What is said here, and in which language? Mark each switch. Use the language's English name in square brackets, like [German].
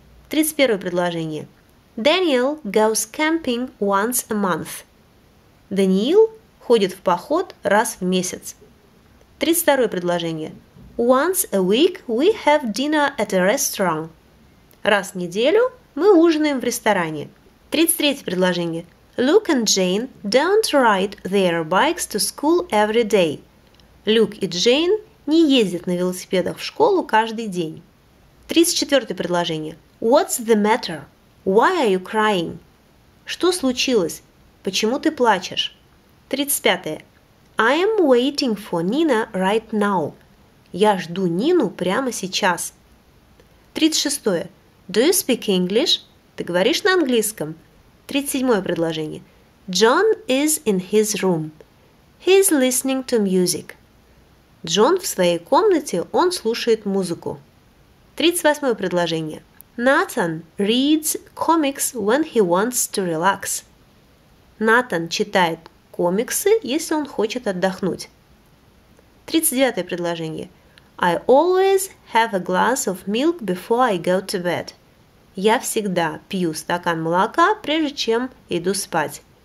[Russian] 31 предложение. [English] Daniel goes camping once a month. [Russian] Даниил ходит в поход раз в месяц. 32 предложение. [English] Once a week we have dinner at a restaurant. [Russian] Раз в неделю мы ужинаем в ресторане. 33 предложение. [English] Luke and Jane don't ride their bikes to school every day. [Russian] Люк и Джейн не ездят на велосипедах в школу каждый день. 34 предложение. [English] What's the matter? Why are you crying? [Russian] Что случилось? Почему ты плачешь? [English] 35. I am waiting for Nina right now. [Russian] Я жду Нину прямо сейчас. 36. [English] Do you speak English? [Russian] Ты говоришь на английском? 37 предложение. [English] John is in his room. He is listening to music. [Russian] Джон в своей комнате, он слушает музыку. 38 предложение. [English] Nathan reads comics when he wants to relax. [Russian] Nathan читает комиксы, если он хочет отдохнуть. 39 предложение. [English] I always have a glass of milk before I go to bed. [Russian] Я всегда пью стакан молока, прежде чем иду спать.